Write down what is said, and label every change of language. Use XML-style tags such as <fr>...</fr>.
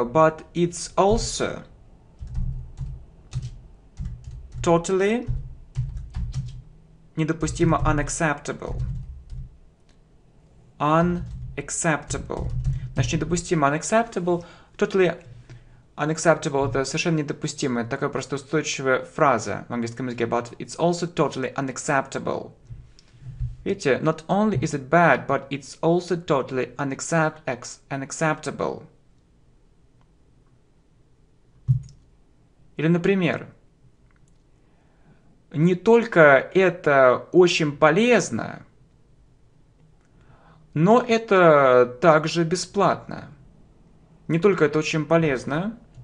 <en>But it's also totally</en> <ru>недопустимо,</ru> <en>unacceptable. Unacceptable.</en> <ru>Значит, недопустимо,</ru> <en>unacceptable. Totally unacceptable</en> <ru>– это совершенно недопустимо. Это такая просто устойчивая фраза в английском языке.</ru> <en>But it's also totally unacceptable.</en> <ru>Видите,</ru> <en>not only is it bad, but it's also totally unacceptable.</en> <ru>Или, например, не только это очень полезно, но это также бесплатно. Не только это очень полезно.</ru>